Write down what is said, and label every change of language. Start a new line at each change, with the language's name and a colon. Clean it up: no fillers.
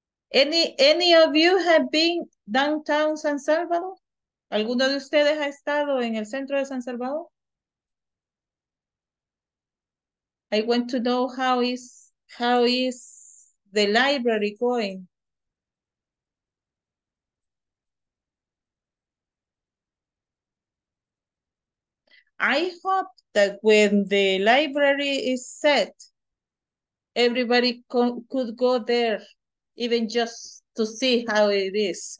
English: Any of you have been downtown San Salvador?
Spanish: ¿Alguno de ustedes ha estado en el centro de San Salvador?
English: I want to know how is the library going? I hope that when the library is set, everybody could go there, even just to see how it is.